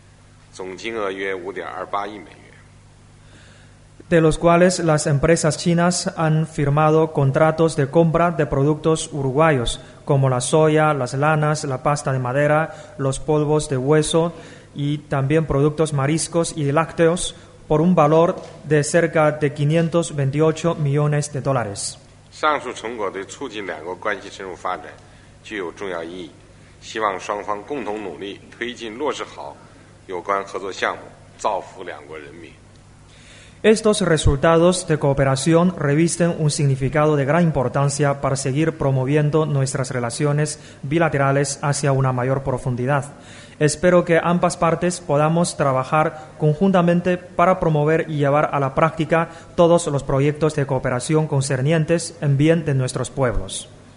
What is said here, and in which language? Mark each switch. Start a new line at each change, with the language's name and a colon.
Chinese: 其中中方企业同乌方企业签署了涉及大豆、羊毛、木浆、肉骨粉、海产品、乳制品等产品的采购协议，总金额约5.28亿美元。
Spanish: De los cuales las empresas chinas han firmado contratos de compra de productos uruguayos, como la soya, las lanas, la pasta de madera, los polvos de hueso y también productos mariscos y lácteos, por un valor de cerca de $528 millones.
Chinese: 上述成果对促进两国关系深入发展具有重要意义，希望双方共同努力推进落实好有关合作项目，造福两国人民。
Spanish: Estos resultados de cooperación revisten un significado de gran importancia para seguir promoviendo nuestras relaciones bilaterales hacia una mayor profundidad. Espero que ambas partes podamos trabajar conjuntamente para promover y llevar a la práctica todos los proyectos de cooperación concernientes en bien de nuestros pueblos.